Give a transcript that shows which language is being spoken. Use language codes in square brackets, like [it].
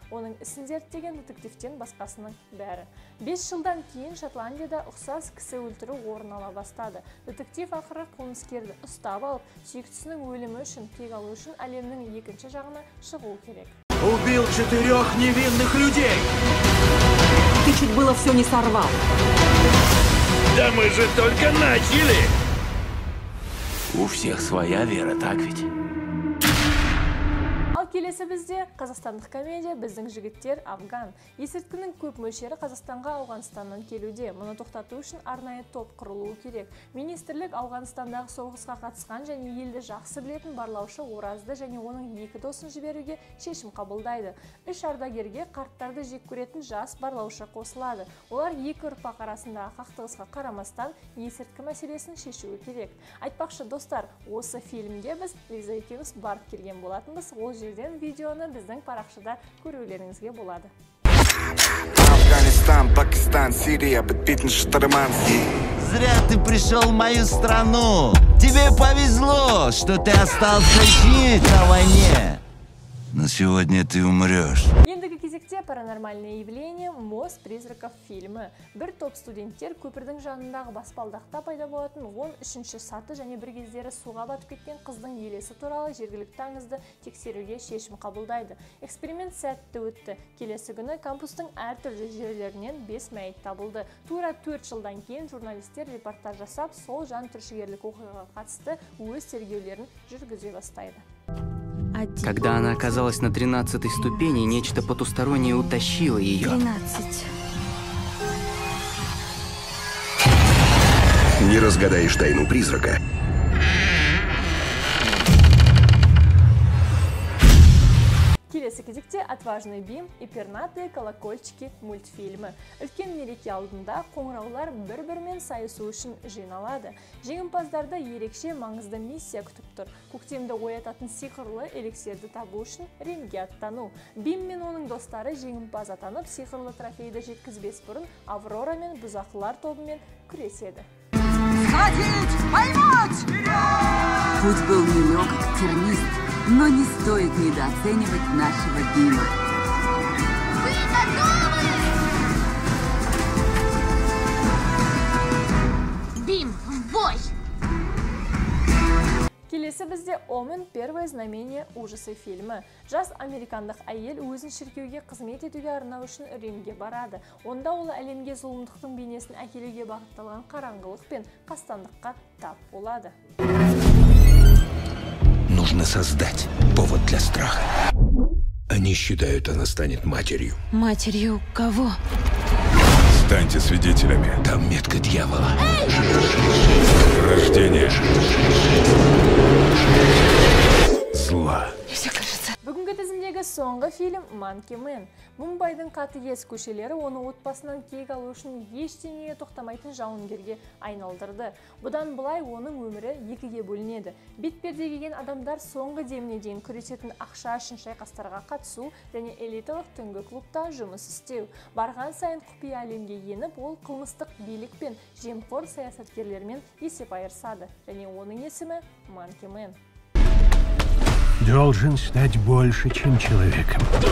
[kk] Оның ісін зерттеген детективтен басқасының бәрі. 5 жылдан кейін Шотландияда ұқсас кісі өлтіру орын ала бастады. Детектив ақыры қылмыскерді ұстап алып, сүйіктісінің өлімі үшін кек алу үшін әлемнің екінші жағына шығу керек. [ru] Убил 4 невинных людей! Ты чуть было все не сорвал. Да мы же только начали! У всех своя вера, так ведь? [kk] Келесі бізде қазақстандық комедия «Біздің жігіттер Афган». Есірткінің көп мөлшері Қазақстанға Ауғанстаннан келуде. Мұны тоқтату үшін арнайы топ құрылуы керек. Министрлік Ауғанстандағы соғысқа қатысқан және елді жақсы білетін барлаушы Оразды және оның екі досын жіберуге шешім қабылдайды. Үш ардагерге қарттарды жек көретін жас барлаушы қосылады. Олар екі ұрпақ арасындағы қақтығысқа қарамастан есірткі мәселесін шешуі керек. Айтпақшы, достар, осы фильмге біз Лиза екеуміз барып келген болатынбыз. Ол видеоны біздің парақшада көрулеріңізге болады. Афганистан, Пакистан, Сирия, бітпейтін шытырман. [ru] Зря ты пришел в мою страну. Тебе повезло, что ты остался жить на войне. На сегодня ты умрешь. [kk] Ендігі кезекте паранормальное явление «Мост призраков» фильмы. Бір топ студенттер көпірдің жанындағы баспалдақта пайда болатын 13-ші саты және бір кездері суға батып кеткен қыздың елесі туралы жергілікті аңызды тексеруге шешім қабылдайды. Эксперимент сәтті өтті. Келесі күні кампустың әртүрлі жерлерінен 5 мәйіт табылды. Тура 4 жылдан кейін журналистер репортаж жасап, сол жан түршігерлік оқиғаға қатысты өз тергеулерін жүргізе бастайды. [ru] Когда она оказалась на 13-й ступени, нечто потустороннее утащило ее. 13. Не разгадаешь тайну призрака. [kk] Келесі кезекте «Отважный Бим» и «Пернатые колокольчики» мультфильмы. Үлкен мереке алдында қоңыраулар бір-бірмен сайысу үшін жиналады. Жеңімпаздарда ерекше маңызды миссия күтіп тұр. Көктемді оятатын сиқырлы эликсирді табу үшін ринге аттану. Бим мен оның достары жеңімпаз атанып, сиқырлы трофейді жеткізбес бұрын Аврора мен бұзақылар тобымен күреседі. [ru] Сходить! Поймать! Путь был нелег, как тернист. Но не стоит недооценивать нашего Бима. Вы готовы? Бим, в бой! [kk] Келесі бізде «Омен» первое знамение ужасы фильмы. Жас американдық әйел өзін шіркеуге қызмет етуге арнау үшін римге барады. Онда ол әлемге зұлымдықтың бейнесін әкелуге бағытталған қараңғылық пен қастандыққа тап болады. [ru] Нужно создать повод для страха. Они считают, она станет матерью. Матерью кого? Станьте свидетелями. Там метка дьявола. Рождение. Зла. [kk] Соңғы фильм «Манки Мэн». Мумбайдың қатыгез көшелері оны отбасынан кек алу үшін ештеңеге тоқтамайтын жауынгерге айналдырды. Бұдан былай оның өмірі екіге бөлінеді. Бетперде киген адамдар соңғы деміне дейін күресетін ақша үшін шайқастарға қатысу және элиталық түнгі клубта жұмыс істеу. Барған сайын құпия әлемге еніп, ол қылмыстық билік пен жемқор саясаткерлермен есеп айырысады және оның есімі «Манки Мэн». [ru] Должен стать больше, чем человеком.